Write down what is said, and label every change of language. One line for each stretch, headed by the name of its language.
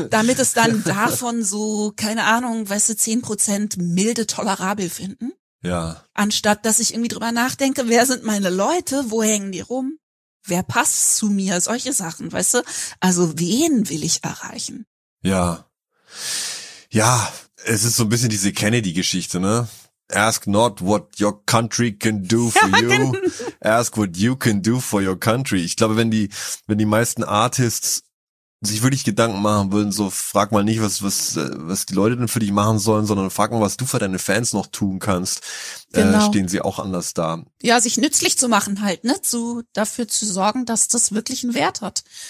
German: damit es dann davon so, keine Ahnung, weißt du, 10% milde tolerabel finden. Ja. Anstatt, dass ich irgendwie drüber nachdenke, wer sind meine Leute, wo hängen die rum, wer passt zu mir, solche Sachen, weißt du, also wen will ich erreichen? Ja. Ja. Es ist so ein bisschen diese Kennedy-Geschichte, ne?
English: Ask not what your country can do for you, ask what you can do for your country.
German: Ich glaube, wenn die meisten Artists sich wirklich Gedanken machen würden, so frag mal nicht, was die Leute denn für dich machen sollen, sondern frag mal, was du für deine Fans noch tun kannst, stehen sie auch anders da. Ja, sich nützlich zu machen halt, ne? Dafür zu sorgen, dass das wirklich einen Wert hat.